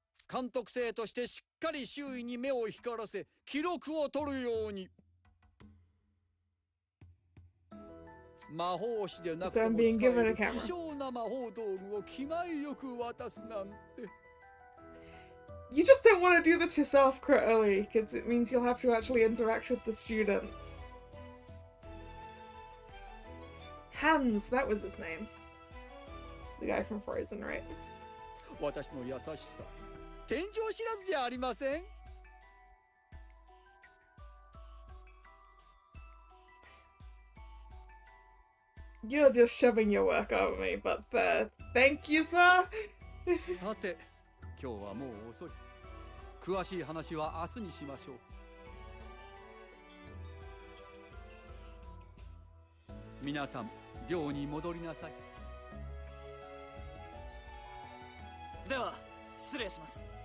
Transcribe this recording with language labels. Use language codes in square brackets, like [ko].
[ja] 監督生としてしっかり周囲に目を光らせ記録を取るように。魔法師でなくても使える希少な魔法道具を気前よく渡すなんて。 [en] You just don't want to do this yourself, Crowley, because it means you'll have to actually interact with the students. Hans, that was his name. The guy from Frozen, right? [ja] 私の優しさ、天井知らずじゃありません。 [en] You're just shoving your work on me, but thank you, sir! [ja] さて、今日はもう遅い。詳しい話は明日にしましょう。皆さん、寮に戻りなさい。では、失礼します。